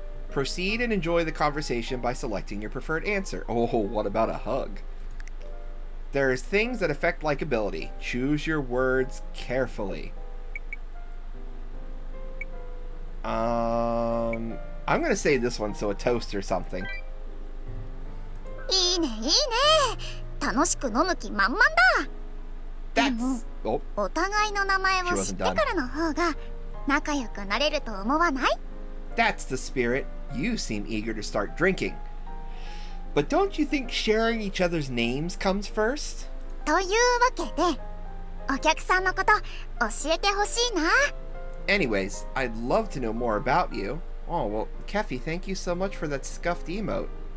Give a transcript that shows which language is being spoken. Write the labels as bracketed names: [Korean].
[English] Proceed and enjoy the conversation by selecting your preferred answer. Oh, what about a hug? There's things that affect likability. Choose your words carefully. I'm gonna say this one, so a toast or something. [Japanese] いいね、いいね。楽しく飲む気満々だ. お互いの名前を知ってからの方が仲良くなれると思わない? [English] That's the spirit. You seem eager to start drinking. But don't you think sharing each other's names comes first? Anyways, I'd love to know more about you. Oh, well, Keffy, thank you so much for that scuffed emote.